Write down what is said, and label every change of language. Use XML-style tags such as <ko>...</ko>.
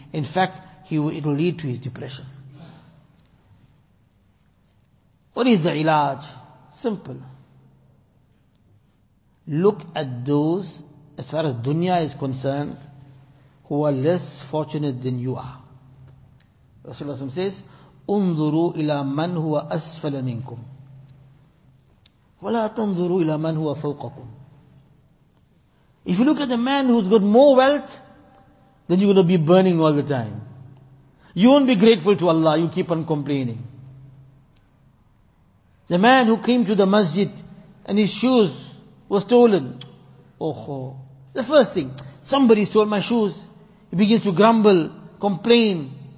<en>In fact, it will lead to his depression. What is the ilaj? Simple. Look at those, as far as dunya is concerned, who are less fortunate than you are. Rasulullah says,</en> <ar>انظروا إلى من هو أسفل منكم ولا تنظروا إلى من هو فوقكم.</ar> <en>If you look at a man who's got more wealth, then you're going to be burning all the time. You won't be grateful to Allah, you keep on complaining. The man who came to the masjid and his shoes were stolen. Oh, the first thing, somebody stole my shoes. He begins to grumble, complain.</en>